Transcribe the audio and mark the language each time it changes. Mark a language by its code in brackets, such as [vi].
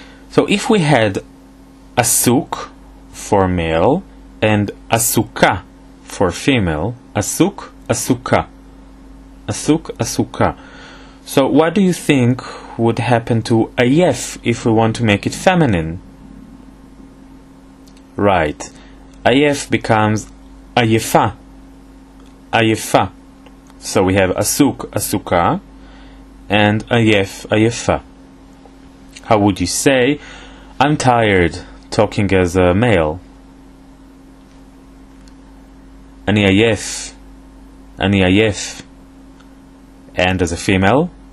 [en] So if we had עסוק for male and עסוקה for female, עסוק, עסוקה. עסוק, עסוקה. So what do you think would happen to עייף if we want to make it feminine? Right. עייף becomes עייפה. [he] עייפה. [en] So we have עסוק, עסוקה and עייף, עייפה. How would you say I'm tired talking as a male? [he] אני עייף. אני עייף. [en] And as a female?